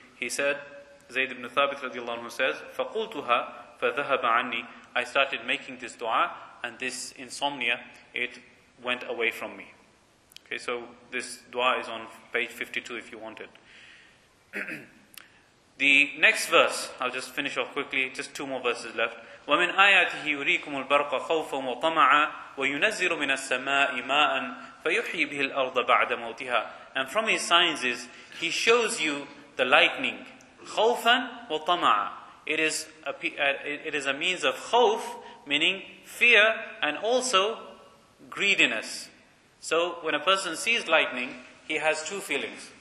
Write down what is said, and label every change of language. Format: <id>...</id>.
<en>He said, Zayd ibn Thabit radiallahu anhu says,</en> <ar>فَقُلْتُهَا فَذَهَبَ عَنِّي</ar> <en>I started making this dua, and this insomnia, it went away from me. Okay, so this dua is on page 52 if you want it. The next verse, I'll just finish off quickly, just two more verses left.</en> <ar>ومن آياته يريكم البرق خوفا وطمعا وينزل من السماء ماء فيحيي به الأرض بعد موتها.</ar> <en>And from his signs is he shows you the lightning</en> <ar>خوفا وطمعا.</ar> <en>It is a means of خوف, meaning fear, and also greediness. So when a person sees lightning, he has two feelings.</en>